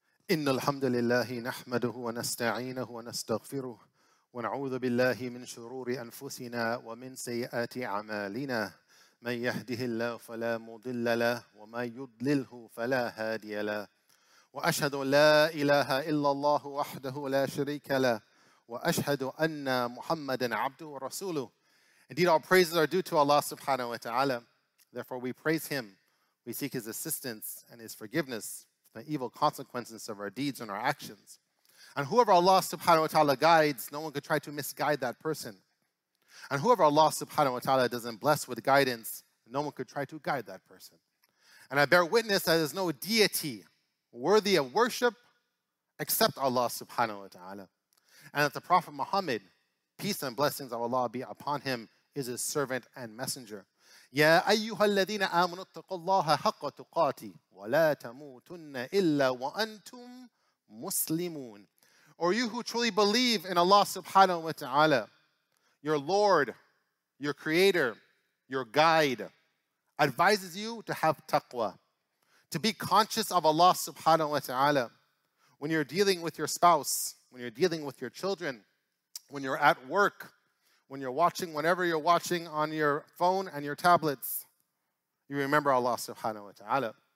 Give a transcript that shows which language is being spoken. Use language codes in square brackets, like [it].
[ar] إن الحمد لله نحمده ونستعينه ونستغفره ونعوذ بالله من شرور أنفسنا ومن سيئات أعمالنا من يهده الله فلا مضل له ومن يضلله فلا هادي له وأشهد لا إله إلا الله وحده لا شريك له وأشهد أن محمدا عبده ورسوله. [en] Indeed all praises are due to Allah subhanahu wa ta'ala. Therefore we praise him, we seek his assistance and his forgiveness. The evil consequences of our deeds and our actions. And whoever Allah subhanahu wa ta'ala guides, no one could try to misguide that person. And whoever Allah subhanahu wa ta'ala doesn't bless with guidance, no one could try to guide that person. And I bear witness that there's no deity worthy of worship except Allah subhanahu wa ta'ala. And that the Prophet Muhammad, peace and blessings of Allah be upon him, is his servant and messenger. [ar] يا أيها الذين آمنوا اتقوا الله حق تقاته ولا تموتن إلا وأنتم مسلمون. [en] Or you who truly believe in Allah subhanahu wa ta'ala, your Lord, your Creator, your Guide, advises you to have taqwa, to be conscious of Allah subhanahu wa ta'ala when you're dealing with your spouse, when you're dealing with your children, when you're at work, when you're watching, whenever you're watching on your phone and your tablets, you remember Allah subhanahu wa ta'ala.